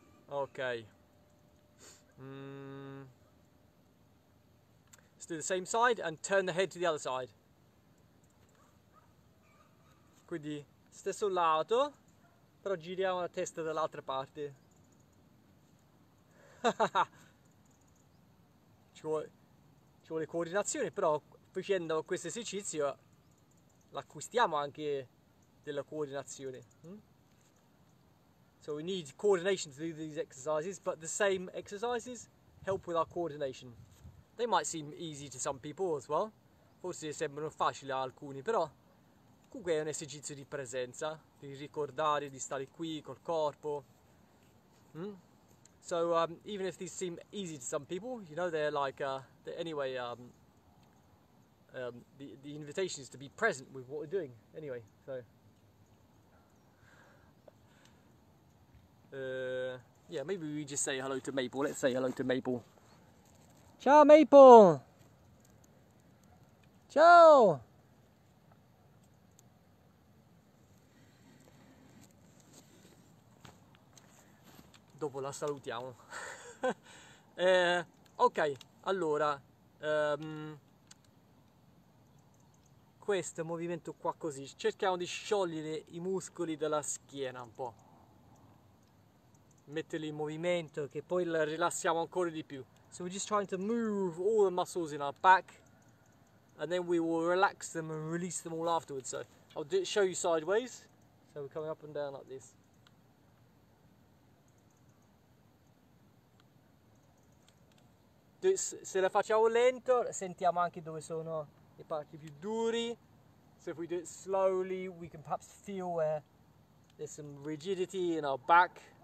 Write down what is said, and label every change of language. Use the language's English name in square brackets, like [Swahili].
[English] Ok. Let's do the same side and turn the head to the other side. [Italian] Quindi stesso lato, però giriamo la testa dall'altra parte. Ci vuole coordinazione, però facendo questo esercizio l'acquistiamo anche della coordinazione. [English] So we need coordination to do these exercises, but the same exercises help with our coordination. They might seem easy to some people as well. [Italian] Forse sembrano facili a alcuni, però comunque è un esercizio di presenza, di ricordare di stare qui col corpo. [English] So even if these seem easy to some people, you know, the invitation is to be present with what we're doing anyway, so. Yeah, maybe we just say hello to Maple. Let's say hello to Maple. [Italian] Ciao Maple! Ciao! Dopo la salutiamo. Ok, allora, questo movimento qua così, cerchiamo di sciogliere i muscoli della schiena un po'. metterli in movimento, che poi la rilassiamo ancora di più. [English] So we're just trying to move all the muscles in our back and then we will relax them and release them all afterwards. So I'll do show you sideways. So we're coming up and down like this. [Italian] Se la facciamo lento, sentiamo anche dove sono le parti più duri. [English] So if we do it slowly, we can perhaps feel where there's some rigidity in our back.